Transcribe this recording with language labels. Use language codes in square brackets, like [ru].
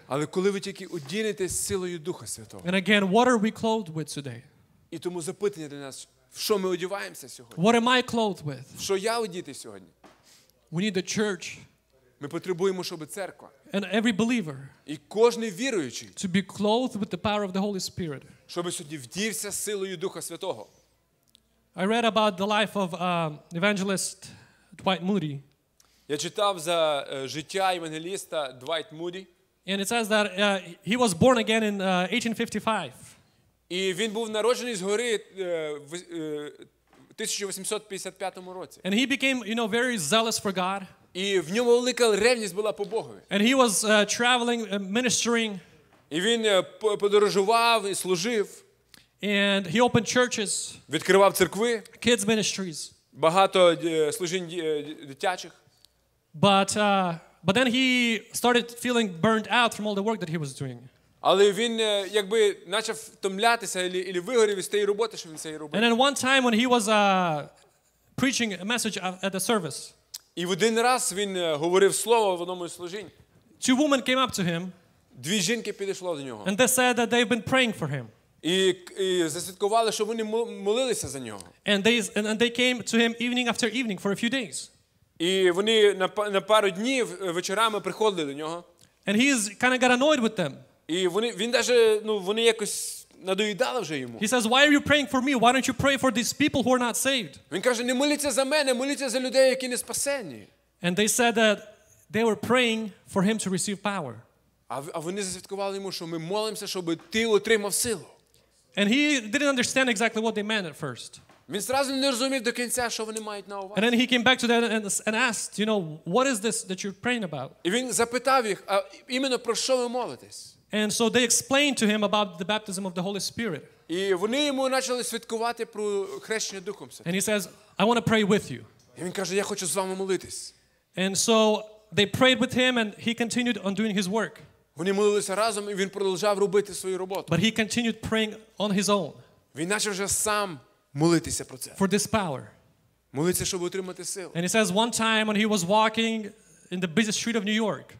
[uk] Але коли ви тільки одінетесь силою Духа Святого. [en] And again, what are we clothed with today? [uk] І тому запитання для нас, що ми одіваємося сьогодні? [en] What am I clothed with? [uk] Що я одіти сьогодні? [en] We need the church. [uk] Ми потребуємо, щоб церква. [en] And every believer. [uk] І кожний віруючий. [en] To be clothed with the power of the Holy Spirit. [uk] Щоб сьогодні вдівся силою Духа Святого. [en] I read about the life of evangelist Dwight Moody. [uk] Я читав за життя евангеліста Дуайт Муді. [en] And it says that he was born again in 1855. [uk] І він був народжений згори в 1855 році. [en] And he became, you know, very zealous for God. [uk] І в ньому велика ревність була по Богові. [en] And he was traveling, ministering. [uk] І він подорожував і служив. [en] And he opened churches. [uk] Відкривав церкви. [en] Kids ministries. [uk] Багато служінь дитячих. [en] But then he started feeling burned out from all the work that he was doing. [uk] Але він якби почав втомлятися або вигорів від тієї роботи, що він цей робив. [en] And then one time when he was preaching a message at the service. [uk] І в один раз він говорив слово в одному із служінь. [en] Two women came up to him. [uk] Дві жінки підійшло до нього. [en] And they said that they've been praying for him. [uk] І засвідкували, що вони молилися за нього. [en] And they came to him evening after evening for a few days. [uk] І вони на пару днів вечорами приходили до нього. [en] And he's kind of got annoyed with them. [uk] І він даже, ну, вони якось надоїдали вже йому. [en] He says, "Why are you praying for me? Why don't you pray for these people who are not saved?" [uk] Він каже: "Не моліться за мене, моліться за людей, які не спасені." [en] And they said that they were praying for him to receive power. [uk] А вони засвідкували йому, що ми молимося, щоб ти отримав силу. [en] And he didn't understand exactly what they meant at first. [uk] Він зразу не розумів до кінця, що вони мають на увазі. [en] And then he came back to them and asked, you know, what is this that you're praying about? [uk] І він запитав їх, а іменно про що ви молитесь? [en] And so they explained to him about the baptism of the Holy Spirit. [uk] І вони йому почали свідкувати про хрещення Духом Святим. [en] And he says, I want to pray with you. [uk] І він каже, я хочу з вами молитись. [en] And so they prayed with him and he continued on doing his work. [uk] Вони молилися разом, і він продовжував робити свою роботу. [en] But he continued praying on his own. [uk] Він почав вже сам молитися про це. [en] For this power. [uk] Молитися, щоб отримати силу. [en] And he says one time when he was walking in the busy street of New York.